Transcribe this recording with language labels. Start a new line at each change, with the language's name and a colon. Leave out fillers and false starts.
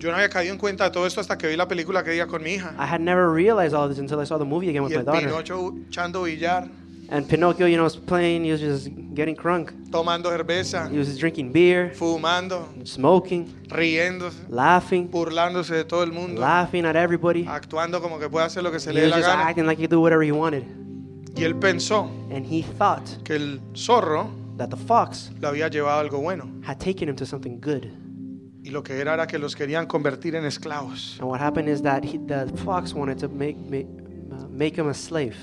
Spanish: Yo no había caído en cuenta de todo esto hasta que vi la película que diga con mi hija.
English: I had never realized all this until I saw the movie again with
Spanish: y
English: my daughter.
Spanish: Pinocho echando billar.
English: And Pinocchio, you know, was playing. He was just getting crunk.
Spanish: Tomando cerveza.
English: He was drinking beer.
Spanish: Fumando.
English: Smoking.
Spanish: Riéndose.
English: Laughing.
Spanish: Burlándose de todo el mundo.
English: Laughing at everybody.
Spanish: Actuando como que puede hacer lo que se
English: he
Spanish: le dé la gana.
English: He was just acting like he could do whatever he wanted.
Spanish: Y él pensó
English: and he thought
Spanish: que el zorro
English: that the fox
Spanish: lo había llevado algo bueno.
English: Had taken him to something good.
Spanish: Y lo que era que los querían convertir en esclavos.
English: And what happened is that the fox wanted to make him a slave.